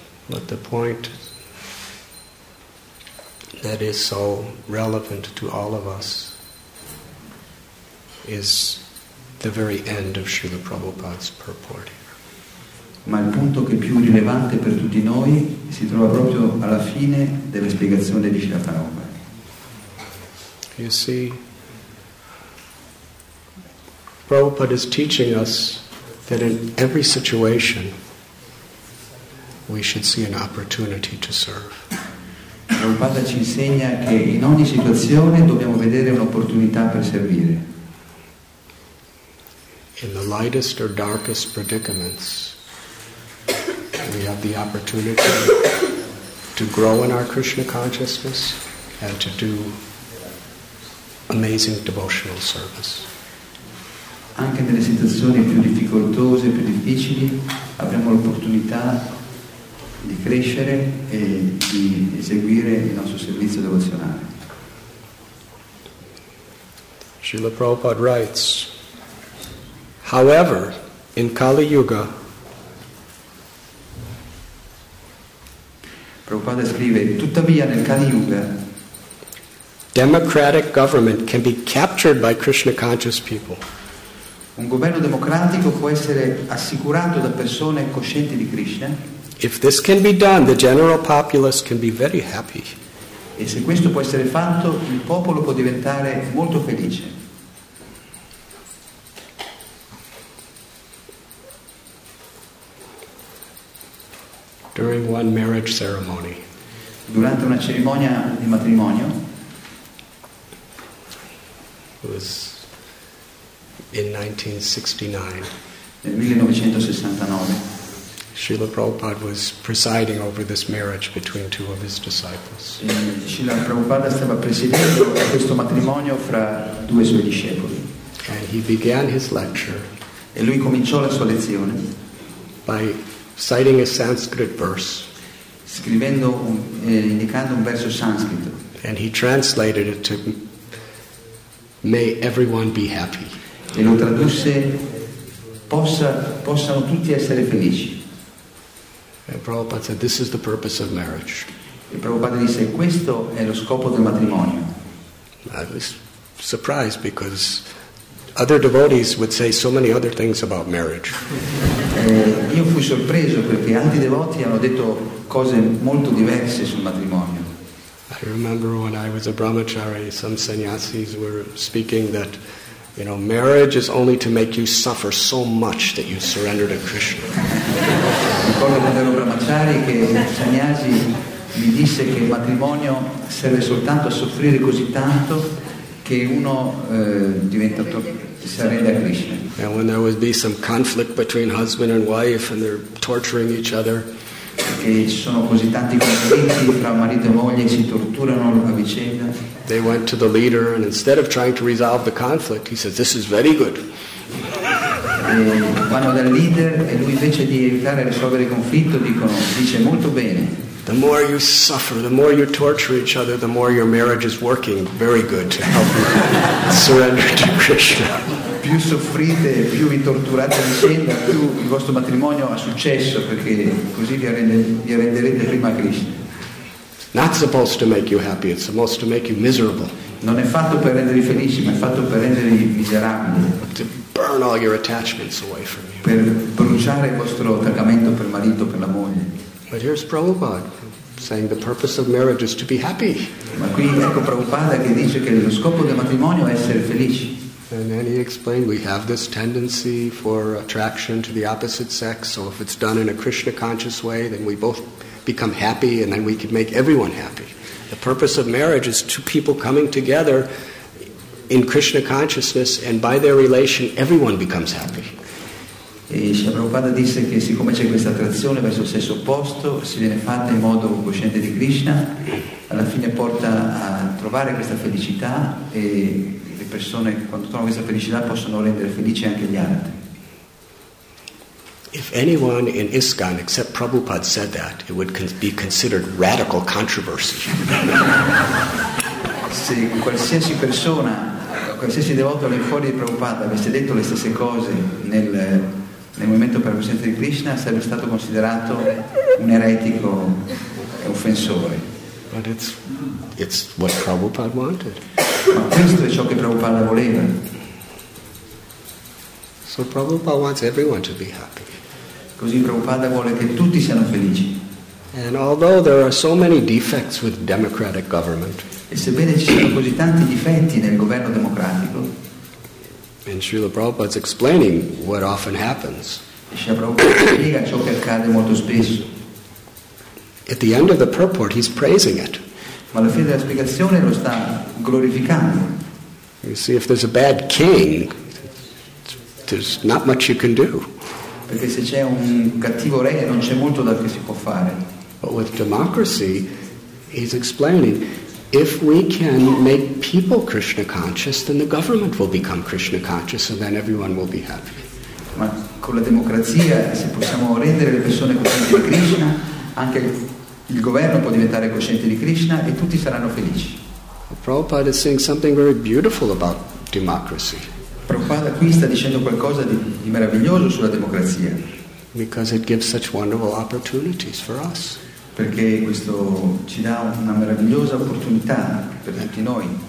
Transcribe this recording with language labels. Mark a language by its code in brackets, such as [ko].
[en] But the point that is so relevant to all of us is the very end of Srila Prabhupada's purport here. [it] Ma il punto che è più rilevante per tutti noi si trova proprio alla fine della spiegazione di Srila Prabhupada. [en] You see, Prabhupada is teaching us that in every situation we should see an opportunity to serve. [it] Prabhupada ci insegna che in ogni situazione dobbiamo vedere un'opportunità per servire. [en] In the lightest or darkest predicaments, we have the opportunity to grow in our Krishna consciousness and to do amazing devotional service. [it] Anche nelle situazioni più difficoltose, più difficili, abbiamo l'opportunità di crescere e di eseguire il nostro servizio devozionale. [en] Srila Prabhupada writes, however, in Kali Yuga, [it] Prabhupada scrive, tuttavia nel Kali Yuga, [en] democratic government can be captured by Krishna conscious people. [it] Un governo democratico può essere assicurato da persone coscienti di Krishna. [en] If this can be done, the general populace can be very happy. [it] E se questo può essere fatto, il popolo può diventare molto felice. [en] During one marriage ceremony. [it] Durante una cerimonia di matrimonio. [en] It was in 1969. [it] Nel 1969. [en] Srila Prabhupada was presiding over this marriage between two of his disciples. [it] Srila Prabhupada stava presidendo questo matrimonio fra due suoi discepoli. [en] And he began his lecture. [it] E lui cominciò la sua lezione. [en] By citing a Sanskrit verse. [it] Scrivendo indicando un verso sanscrito. [en] And he translated it to "May everyone be happy." [it] E lo tradusse possano tutti essere felici. [en] And Prabhupada said, "This is the purpose of marriage." [it] E Prabhupada disse, questo è lo scopo del matrimonio. [en] I was surprised because other devotees would say so many other things about marriage. [it] Io fui sorpreso perché altri devoti hanno detto cose molto diverse sul matrimonio. [en] I remember when I was a brahmachari, some sannyasis were speaking that, you know, marriage is only to make you suffer so much that you surrender to Krishna. [it] Ricordo quando ero brahmachari che sannyasi mi disse che il matrimonio serve soltanto a soffrire così tanto che uno diventa surrender a Krishna. [en] And when there would be some conflict between husband and wife and they're torturing each other. [it] Che ci sono così tanti conflitti fra marito e moglie e si torturano a vicenda. [en] They went to the leader and instead of trying to resolve the conflict, he said, "This is very good." [it] Vanno dal leader e lui invece di aiutare a risolvere il conflitto dice molto bene. [en] The more you suffer, the more you torture each other, the more your marriage is working very good to help you surrender to Krishna. [it] Più soffrite, più vi torturate vicenda, più il vostro matrimonio ha successo, perché così vi renderete prima Krishna. [en] Not supposed to make you happy, it's supposed to make you miserable. [it] Non è fatto per rendervi felici, ma è fatto per rendervi miserabili. [en] To burn all your attachments away from you. [it] Per bruciare il vostro attaccamento per marito, per la moglie. [en] But here's Prabhupada saying the purpose of marriage is to be happy. [it] Ma qui ecco Prabhupada che dice che lo scopo del matrimonio è essere felici. [en] And then he explained, we have this tendency for attraction to the opposite sex, so if it's done in a Krishna conscious way, then we both become happy and then we can make everyone happy. The purpose of marriage is two people coming together in Krishna consciousness, and by their relation everyone becomes happy. [it] E Srila Prabhupada disse che siccome c'è questa attrazione verso il sesso opposto, si viene fatta in modo cosciente di Krishna, alla fine porta a trovare questa felicità, e le persone quando trovano questa felicità possono rendere felici anche gli altri. [en] If anyone in ISKCON except Prabhupada said that, it would be considered radical controversy. [it] Se qualsiasi persona, qualsiasi devoto lì fuori di Prabhupada avesse detto le stesse cose nel movimento per la coscienza di Krishna, sarebbe stato considerato un eretico e offensore. [en] But it's what Prabhupada wanted. [it] Ma questo è ciò che Prabhupada voleva. [en] So Prabhupada wants everyone to be happy. [it] Così Prabhupada vuole che tutti siano felici. [en] And although there are so many defects with democratic government, [it] e sebbene ci siano così tanti difetti nel governo democratico, [en] and Srila Prabhupada's explaining what often happens, [it] Srila Prabhupada spiega ciò che accade molto spesso. [en] At the end of the purport, he's praising it. [it] Ma alla fine della spiegazione lo sta glorificando. [en] You see, if there's a bad king, there's not much you can do. [it] Perché se c'è un cattivo re, non c'è molto da che si può fare. [en] But with democracy, he's explaining, if we can make people Krishna conscious, then the government will become Krishna conscious, and then everyone will be happy. [it] Ma con la democrazia, se possiamo rendere le persone coscienti di Krishna, anche il governo può diventare cosciente di Krishna e tutti saranno felici. [en] Prabhupada is saying something very beautiful about democracy. [it] Prabhupada qui sta dicendo qualcosa di meraviglioso sulla democrazia. [en] Because it gives such wonderful opportunities for us. [it] Perché questo ci dà una meravigliosa opportunità per tutti noi.